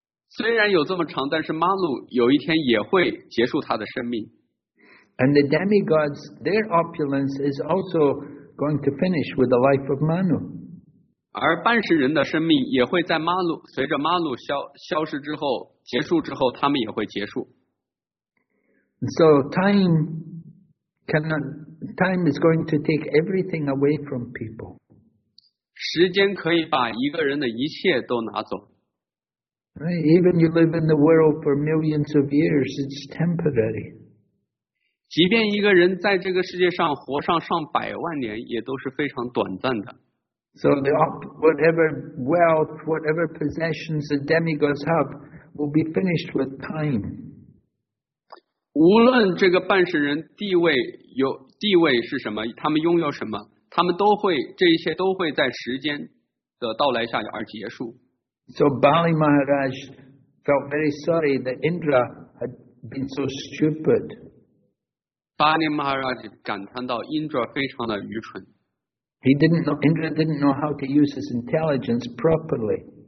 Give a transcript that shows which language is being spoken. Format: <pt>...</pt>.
<zh>虽然有这么长，但是 Manu 有一天也会结束他的生命。</zh> <en>And the demigods, their opulence is also going to finish with the life of Manu.</en> <zh>而半世人的生命也会在 Manu, 随着 Manu 消失之后，结束之后，他们也会结束。</zh> <en>So time... Time is going to take everything away from people.</en> <zh>时间可以把一个人的一切都拿走。</zh> <en>Right, even you live in the world for millions of years, it's temporary.</en> <zh>即便一个人在这个世界上活上百万年，也都是非常短暂的。</zh> <en>So whatever wealth, whatever possessions the demigods have will be finished with time.</en> <zh>无论这个半世人地位是什么，他们拥有什么，他们都会，这一切都会在时间的到来下而结束。</zh> <en>So Bali Maharaj felt very sorry that Indra had been so stupid.</en> <zh>Bali Maharaj 感叹到 Indra 非常的愚蠢。</zh> <en>Indra didn't know how to use his intelligence properly.</en>